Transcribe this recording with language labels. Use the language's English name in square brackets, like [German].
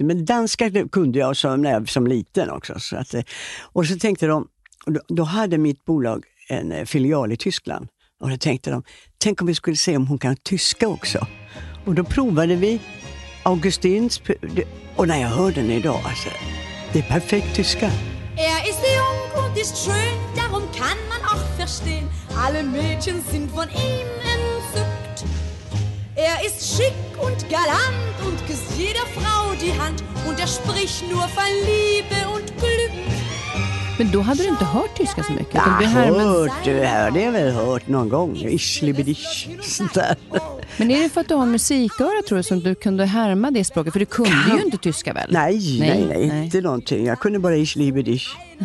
[Swedish] Men danska kunde jag som liten också. Så att, och så tänkte de, då hade mitt bolag en filial i Tyskland. Och då tänkte de, tänk om vi skulle se om hon kan tyska också. Och då provade vi Augustins, och när jag hörde den idag, alltså, det är perfekt tyska. [German] Er ist jung und ist schön, darum kann man auch verstehen. Alle Mädchen sind von ihm entzückt. Er ist schick und galant und küsst jeder Frau die Hand und er spricht nur von Liebe und Glück. [Swedish] Men då hade du inte hört tyska så mycket. Jag hörde jag väl hört någon gång. [German] Ich liebe dich, [Swedish] sånt där. Men är det för att du har musiköra, tror du, som du kunde härma det språket? För du kunde ju inte tyska väl? Nej, inte någonting. Jag kunde bara [German] ich liebe dich.